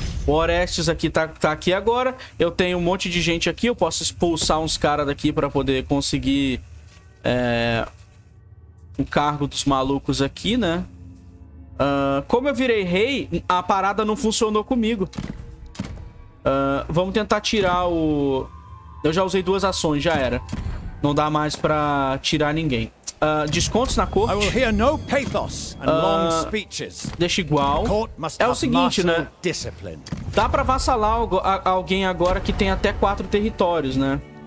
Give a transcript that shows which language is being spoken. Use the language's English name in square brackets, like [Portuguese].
[Portuguese] O Orestes aqui tá aqui agora. Eu tenho um monte de gente aqui. Eu posso expulsar uns caras daqui pra poder conseguir o cargo dos malucos aqui, né? Como eu virei rei, a parada não funcionou comigo. Vamos tentar tirar o... Eu já usei duas ações, já era. Não dá mais pra tirar ninguém. Descontos na corte. [English] I will hear no pathos and long speeches. [Portuguese] Deixa igual. É o seguinte, né? [English] Discipline. [Portuguese] Dá pra vassalar alguém agora que tem até 4 territórios, né?